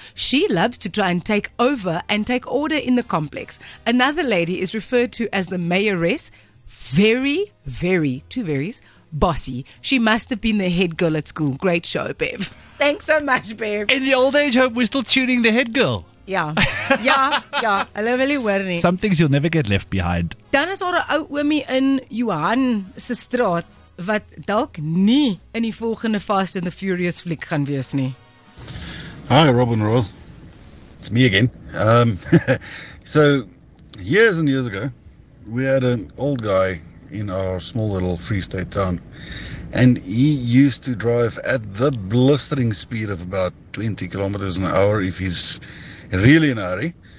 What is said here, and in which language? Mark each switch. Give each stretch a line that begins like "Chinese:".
English: She loves to try and take over and take order in the complex. Another lady is referred to as the mayoress. Very, very, two verys, bossy. She must have been the head girl at school. Great show, Bev. Thanks so much, Bev. In the old age home, we're still tuning the head girl. Yeah. I love really worry. Some things you'll never get left behind.
Afrikaans: Dan is daar 'n ou oomie in Johan se straat wat dalk nie in die volgende Fast and the Furious fliek gaan wees nie.
English: Hi, Robin Rose. It's me again. So, years and years ago, we had an old guy in our small little Free State town. And he used to drive at the blistering speed of about 20 kilometers an hour if he's really in a hurry.